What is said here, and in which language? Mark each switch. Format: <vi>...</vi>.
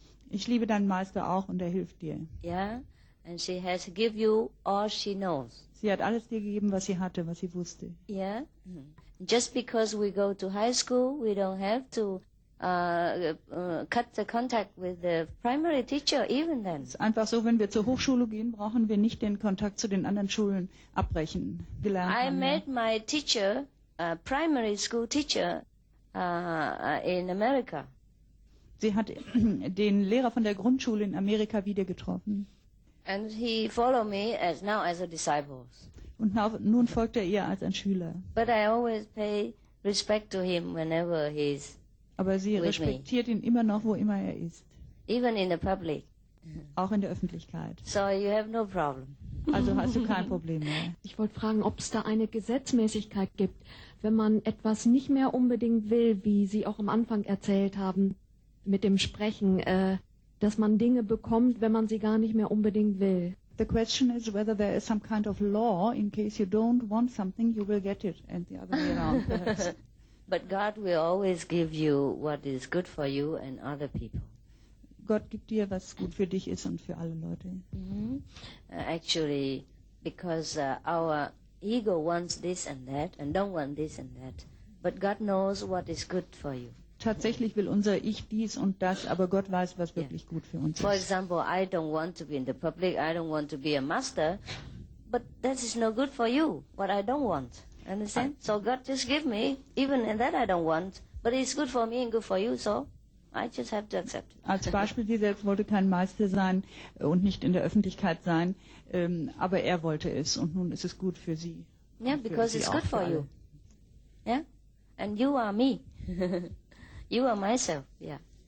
<de>Ich liebe deinen Meister auch und er hilft dir.</de> <en>Yeah? And she has given you all she knows.</en> <de>Sie hat alles dir gegeben, was sie hatte, was sie wusste.</de> <en>Yeah? Mm-hmm. Just because we go to high school, we don't have to... cut the contact with the primary teacher even then.</en> <de>Es ist einfach so, wenn wir zur Hochschule gehen, brauchen wir nicht den Kontakt zu den anderen Schulen abbrechen. Gelernt</de> <en>I met my teacher, primary school teacher, in America.</en> <de>Sie hat den Lehrer von der Grundschule in Amerika wieder getroffen.</de> <en>And he followed me as now as a disciple.</en> <de>Und nun folgt er ihr als ein Schüler.</de> <en>But I always pay respect to him whenever he's</en> <de>aber sie respektiert</de> <en>me.</en> <de>Ihn immer noch, wo immer er ist.</de> <en>Even in the public.</en> <de>Auch in der Öffentlichkeit.</de> <en>So you have no problem.</en> <de>Also hast du kein Problem mehr. Ich wollte fragen, ob es da eine Gesetzmäßigkeit gibt, wenn man etwas nicht mehr unbedingt will, wie Sie auch am Anfang erzählt haben, mit dem Sprechen, dass man Dinge bekommt, wenn man sie gar nicht mehr unbedingt will.</de> <en>The question is whether there is some kind of law, in case you don't want something, you will get it, and the other way around. But God will always give you what is good for you and other people.</en> <de>Gott gibt dir, was gut für dich ist und für alle Leute.</de> <en>Actually, because our ego wants this and that and don't want this and that, but God knows what is good for you.</en> <de>Tatsächlich will unser Ich dies und das, aber Gott weiß, was wirklich gut für uns ist.</de> <en>For example, I don't want to be in the public, I don't want to be a master, but that is no good for you, what I don't want. Understand? So God just give me, even in that I don't want, but it's good for me and good for you, so I just have to accept it.</en> <de>Als Beispiel, sie selbst wollte kein Meister sein und nicht in der Öffentlichkeit sein, aber er wollte es und nun ist es gut für sie.</de> <en>Yeah, because it's good for you. Yeah? And you are me. You are myself, yeah.</en>